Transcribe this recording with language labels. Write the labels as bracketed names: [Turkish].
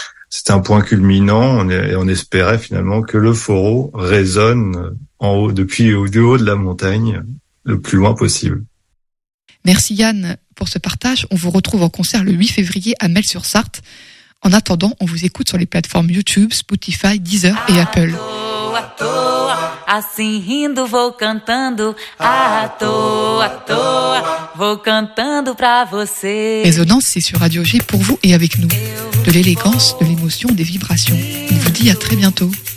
[French] C'était un point culminant, on espérait finalement que le Foreau résonne en haut, depuis au du haut de la montagne, le plus loin possible. Merci Yann pour ce partage. On vous retrouve en concert le 8 février à Melle-sur-Sarthe. En attendant, on vous écoute sur les plateformes YouTube, Spotify, Deezer et Apple. [Portuguese] À toa, à toa, assim rindo vou cantando, à toa, vou cantando pra você. [French] Résonance, c'est sur Radio G pour vous et avec nous. De l'élégance, de l'émotion, des vibrations. On vous dit à très bientôt.